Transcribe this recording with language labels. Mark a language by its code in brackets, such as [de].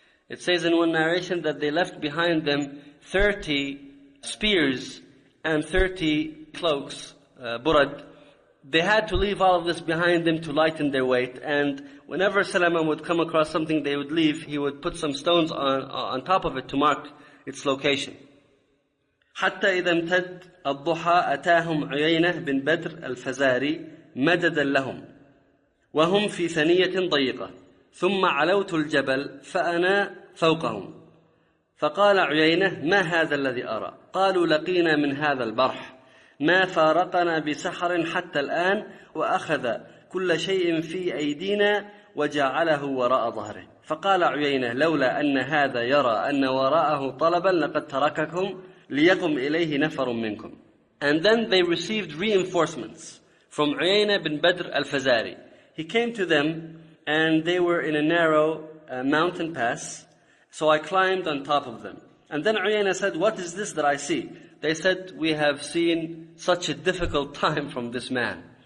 [en] It says in one narration that they left behind them 30 spears and 30 cloaks, burad. They had to leave all of this behind them to lighten their weight. And whenever Salama would come across something they would leave, he would put some stones on top of it to mark its location. [ar] حَتَّى إِذَا امْتَدْ الضُّحَى أَتَاهُمْ عُيَيْنَةَ بِنْ بَدْرَ الْفَزَارِي مَدَدًا لَهُمْ وَهُمْ فِي ثَنِيَّةٍ ضَيِّقَةٍ ثُمَّ عَلَوْتُ الْجَبَلْ فَأَنَا فَوْقَهُمْ فَقَالَ عُيَيْنَةَ مَا هَذَا الَّذِي أَرَى قَالُوا لَقِينَا مِنْ هَذَا الْبَرْحِ ما فارقنا بسحر حتى الآن وأخذ كل شيء في أيدينا وجعله وراء ظهره فقال عيينة لولا أن هذا يرى أن وراءه طلبا لقد ترككم ليقم إليه نفر منكم. [en] And then they received reinforcements from عيينة بن بدر الفزاري. He came to them and they were in a narrow mountain pass, so I climbed on top of them. And then عيينة said, what is this that I see? They said, we have seen such a difficult time from this man.